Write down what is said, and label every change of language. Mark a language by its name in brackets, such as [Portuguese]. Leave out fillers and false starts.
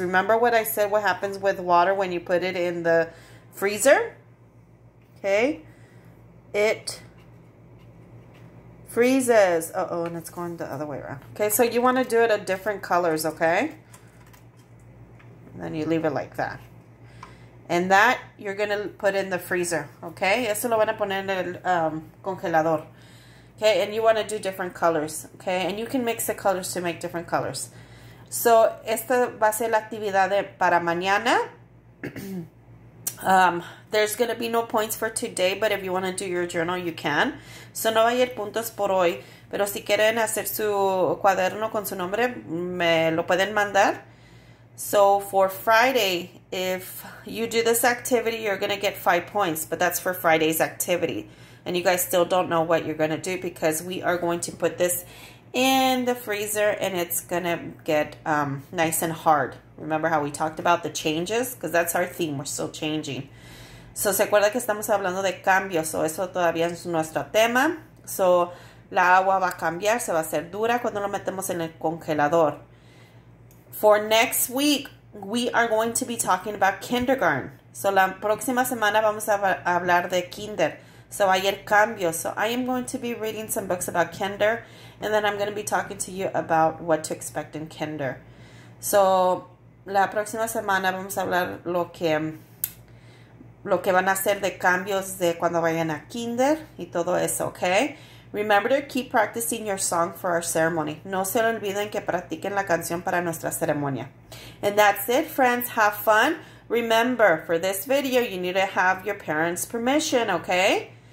[English] Remember what I said, what happens with water when you put it in the freezer? Okay. It freezes. Uh-oh, and it's going the other way around. Okay, so you want to do it a different colors, okay? And then you leave it like that. And that you're going to put in the freezer, okay? [Spanish] Eso lo van a poner en el congelador. [English] Okay, and you want to do different colors, okay? And you can mix the colors to make different colors. [Spanish] So, esta va a ser la actividad de para mañana. [English] There's going to be no points for today, but if you want to do your journal, you can. [Spanish] So, no va a ir puntos por hoy, pero si quieren hacer su cuaderno con su nombre, me lo pueden mandar. [English] So, for Friday, if you do this activity, you're going to get 5 points, but that's for Friday's activity. And you guys still don't know what you're going to do because we are going to put this in the freezer and it's gonna get nice and hard. Remember how we talked about the changes, because that's our theme, we're still changing. [Spanish] So se acuerda que estamos hablando de cambios, so eso todavía es nuestro tema. So la agua va a cambiar, se va a hacer dura cuando lo metemos en el congelador. [English] For next week we are going to be talking about kindergarten. [Spanish] So la próxima semana vamos a hablar de kinder. So ayer cambio. [English] So I am going to be reading some books about kinder, and then I'm going to be talking to you about what to expect in kinder. [Spanish] So la próxima semana vamos a hablar lo que van a hacer de cambios de cuando vayan a kinder y todo eso, okay? [English] Remember to keep practicing your song for our ceremony. [Spanish] No se olviden que practiquen la canción para nuestra ceremonia. [English] And that's it, friends. Have fun. Remember, for this video, you need to have your parents' permission, okay?